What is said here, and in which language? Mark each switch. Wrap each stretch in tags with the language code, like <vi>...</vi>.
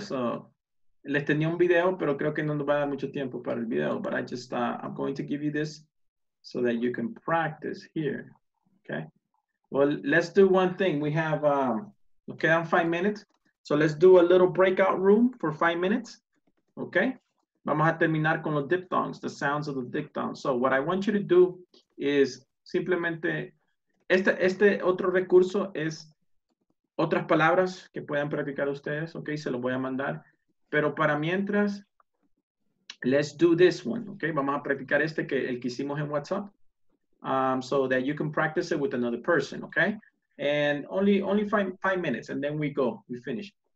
<es>So les tenía un video, pero creo que no nos va a dar mucho tiempo para el video.</es> <en>But I just I'm going to give you this so that you can practice here. Okay. Well, let's do one thing. We have okay, I'm 5 minutes. So let's do a little breakout room for 5 minutes. Okay.</en> <es>Vamos a terminar con los diphthongs,</es> <en>the sounds of the diphthongs. So what I want you to do is</en> <es>simplemente este otro recurso es otras palabras que puedan practicar ustedes, okay, se los voy a mandar. Pero para mientras,</es> <en>let's do this one, okay?</en> <es>Vamos a practicar este que el que hicimos en WhatsApp.</es> <en>So that you can practice it with another person, okay? And only five minutes and then we finish.</en>